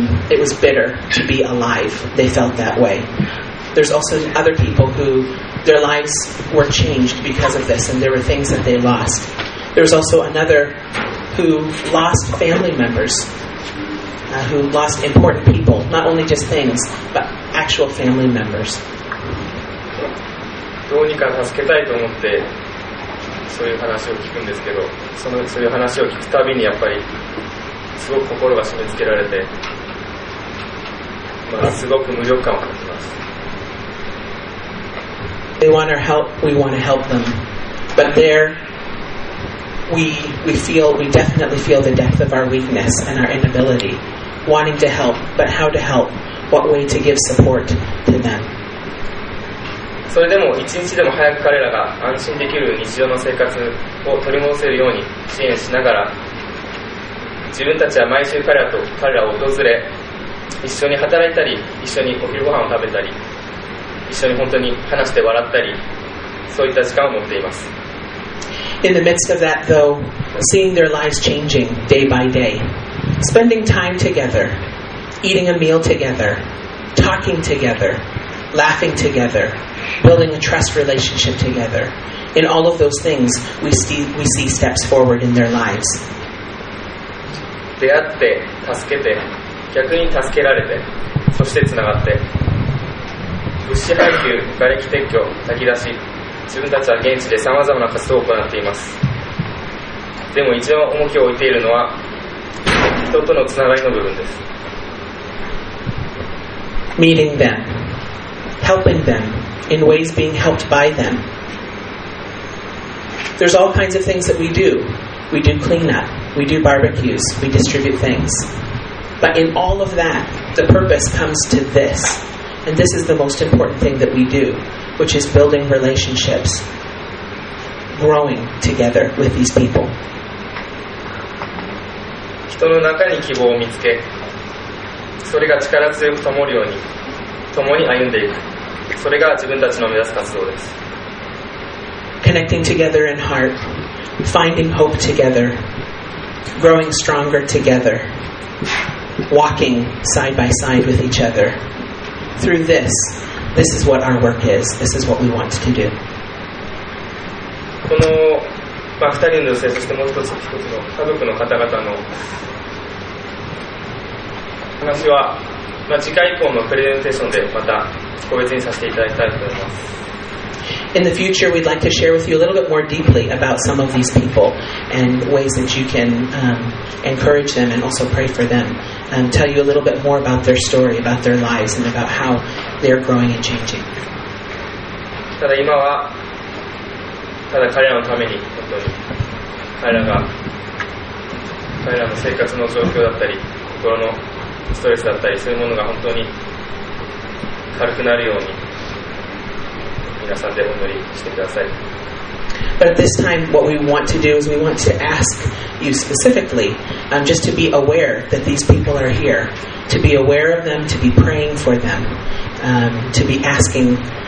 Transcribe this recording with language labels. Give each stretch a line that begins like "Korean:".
English: It was bitter to be alive. They felt that way. There's also other people who their lives were changed because of this, and there were things that they lost. There was also another who lost family members, who lost important people, not only just things, but actual family members.
Japanese: どうにか助けたいと思ってそういう話を聞くんですけど、そういう話を聞くたびにやっぱりすごく心が締め付けられて、まあ、すごく無力感を感じます。
English: They want our help, we want to help them, but there we definitely feel the depth of our weakness and our inability, wanting to help, but how to help, what way to give support to them.
Japanese: それでも一日でも早く彼らが安心できる日常の生活を取り戻せるように支援しながら、自分たちは毎週彼らを訪れ、一緒に働いたり、一緒にお昼ご飯を食べたり、一緒に本当に話して笑ったり、そういった時間を持っています。
English: In the midst of that though, seeing their lives changing day by day, spending time together, eating a meal together, talking together, laughing together,building a trust relationship together. In all of those things, we see steps forward in their lives.
Japanese: 出会って、助けて、逆に助けられて、そしてつながって。物資配給、瓦礫撤去、炊き出し、自分たちは現地でさまざまな活動を行っています。でも一番重きを置いているのは、人とのつながりの部分です。
English: Meeting them. Helping them. In ways being helped by them. There's all kinds of things that we do. We do cleanup, we do barbecues, we distribute things. But in all of that, the purpose comes to this. And this is the most important thing that we do, which is building relationships, growing together with these people.
Japanese: 人の中に希望を見つけ、それが力強く灯るように、共に歩んでいく。それが自分たちの目指す活動です。
English: Connecting together in heart, finding hope together, growing stronger together, walking side by side with each other. Through this, this is what our work is. This is what we want to do.
Japanese: この、まあ、2人の女性、そしてもう一つ、の家族の方々の話は、まあ、次回以降のプレゼンテーションでまた個別にさせていただきたいと思います。
English: in the future, we'd like to share with you a little bit more deeply about some of these people and ways that you can encourage them and also pray for them and tell you a little bit more about their story, about their lives, and about how they're growing and changing.
Japanese: ただ今はただ彼らのために本当に彼らの生活の状況だったり心のストレスだったりそういうものが本当に軽くなるように皆さんでお祈りしてください。
English: But at this time, what we want to do is we want to ask you specifically, just to be aware that these people are here, to be aware of them, to be praying for them, to be asking.